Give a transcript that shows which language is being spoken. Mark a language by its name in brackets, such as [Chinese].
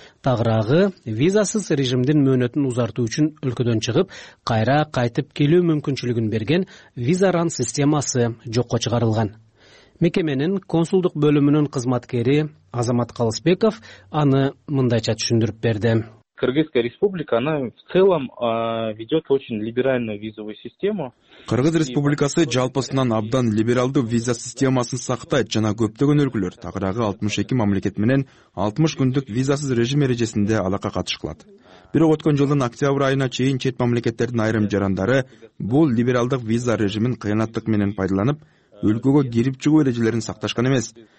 [Kyrgyz] Тагырагы визасыз режимдин мөөнөтүн узартуу үчүн өлкөдөн чыгып кайра кайтып келүү мүмкүнчүлүгүн берген визаран системасы жокко чыгарылган. Мекеменин консулдук бөлүмүнүн кызматкери Азамат Калысбеков аны мындайча түшүндүрүп берди. [Russian] Кыргызская республика, она в целом ведет очень либеральную визовую систему. [Kyrgyz] Кыргыз республикасы жалпысынан абдан либералдуу виза системасын сактайт жана көптөгөн өлкөлөр тагыраагы 62 мамлекет менен 60 күндүк визасыз режим эрежесинде алака катыш кылат. Бирок өткөн жылдын октябрь айына чейин чет мамлекеттердин айрым жарандары бул либералдык виза режимин кыянаттык менен пайдаланып, өлкөгө кирип чыгуу эрежелерин сакташкан эмес.